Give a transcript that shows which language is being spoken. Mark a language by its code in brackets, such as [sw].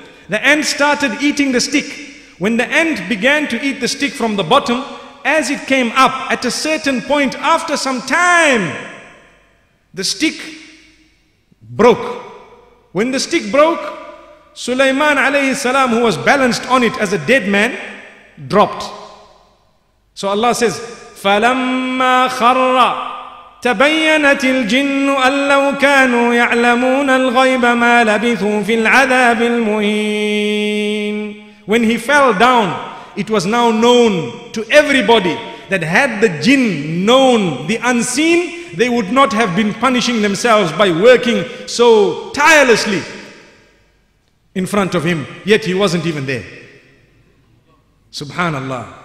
[en] The ant started eating the stick. When the ant began to eat the stick from the bottom, as it came up, at a certain point, after some time, the stick broke. When the stick broke, Sulayman alayhi salam, who was balanced on it as a dead man, dropped. So Allah says, [ar] فَلَمَّا خَرَّ تبينت الجن أن لو كانوا يعلمون الغيب ما لبثوا في العذاب المهين. [en] When he fell down, it was now known to everybody that had the jinn known the unseen, they would not have been punishing themselves by working so tirelessly in front of him, yet he wasn't even there. Subhanallah.